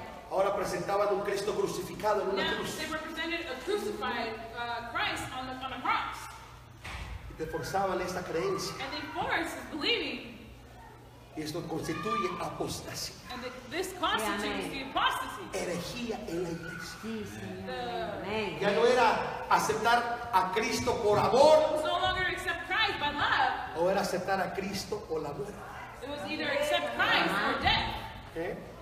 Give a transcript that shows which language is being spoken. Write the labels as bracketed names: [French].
[Spanish] Ahora presentaban un Cristo crucificado en una cruz. [English] They represented a crucified Christ on a cross. [Spanish] Y te forzaban esta creencia. [English] And they forced believing. [Spanish] Y esto constituye apostasía. [English] And this constitutes the apostasy. [Spanish] Herejía en la iglesia. Sí, señor. Ya no era aceptar a Cristo por amor. [English] It was no longer accept Christ by love. [Spanish] O era aceptar a Cristo o la muerte. [English] It was either accept Christ or death.